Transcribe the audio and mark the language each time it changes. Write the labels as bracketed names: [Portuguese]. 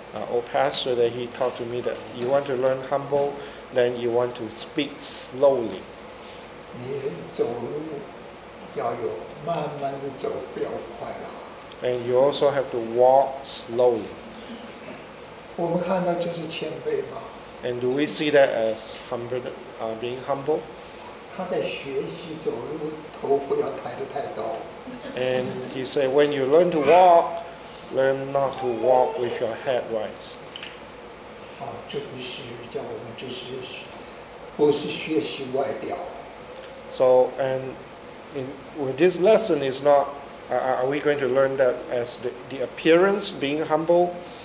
[English] Old pastor that he talked to me that you want to learn humble, then you want to speak slowly. [Chinese] 你走路要有慢慢的走，不要快了。 [English] And you also have to walk slowly. [Chinese] 我们看到就是谦卑嘛。 [English] And do we see that as humble, being humble? [Chinese] 他在学习走路，头不要抬得太高。 [English] And he said, when you learn to walk,Learn not to walk with your head rise. [Chinese] 这不是叫我们这是不是学习外表。 [English] So, and in, with this lesson is not, are we going to learn that as the appearance, being humble?